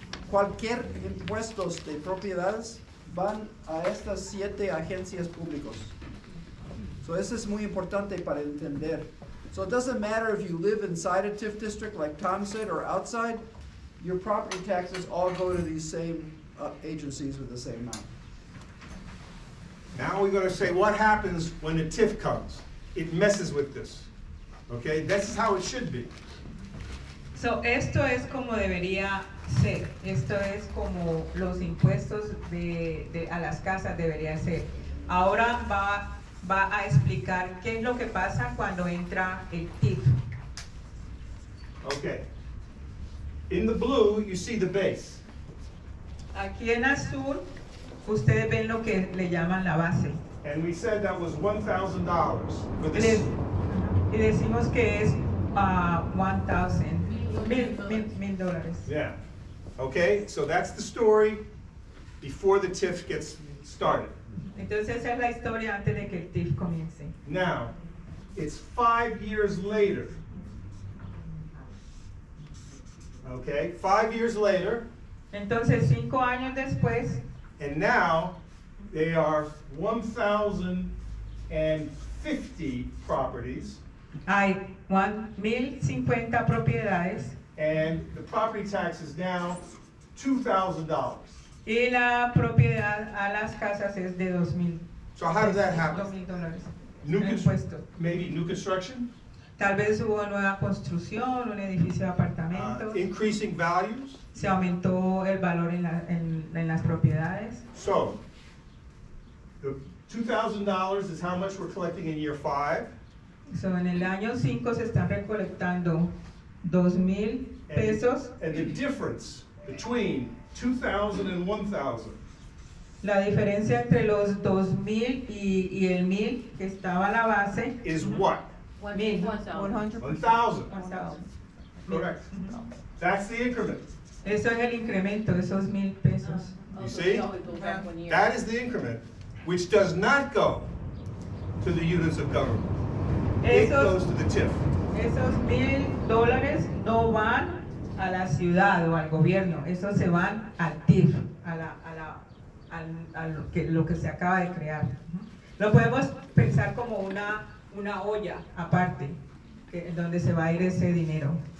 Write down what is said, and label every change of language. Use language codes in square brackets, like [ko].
[es] Cualquier impuestos de propiedades van a estas 7 agencias públicos. So eso es muy importante para entender. [en] So it doesn't matter if you live inside a TIF district, like Tom said, or outside, your property taxes all go to these same agencies with the same amount. Now we're going to say what happens when a TIF comes. It messes with this. Okay, this is how it should be. [es] So esto es como debería ser. Esto es como los impuestos de a las casas debería ser. Ahora va a explicar qué es lo que pasa cuando entra el TIF. [en] Okay. In the blue, you see the base. [es] Aquí en azul, ustedes ven lo que le llaman la base. [en] And we said that was $1,000 for this. [es] Y decimos que es $1,000. [en] Yeah. Okay, so that's the story before the TIF gets started. [es] Entonces, esa es la historia antes de que el TIF comience. [en] Now, it's 5 years later. Okay, 5 years later. [es] Entonces, 5 años después. [en] And now, they are 1,050 properties. [es] Hay 1,050 propiedades. [en] And the property tax is now $2,000. [es] Y la propiedad a las casas es de $2,000. [en] So how does that happen? $2,000. Maybe new construction? [es] Tal vez hubo nueva construcción, un edificio de apartamentos. [en] Increasing values? [es] Se aumentó el valor en las propiedades. [en] So, the $2,000 is how much we're collecting in year 5. [es] So, en el año 5 se están recolectando $2,000. [en] And the difference between 2,000 and 1,000. [es] La diferencia entre los 2,000 y el 1,000 que estaba la base. [en] Is what? 1,000. Correct. That's the increment. [es] Eso es el incremento, esos 1,000 pesos. [en] You see? That is the increment, which does not go to the units of government. It goes to the TIF. [es] Esos $1,000 no van a la ciudad o al gobierno, esos se van al TIF, a lo que se acaba de crear. Lo podemos pensar como una olla aparte, que es donde se va a ir ese dinero.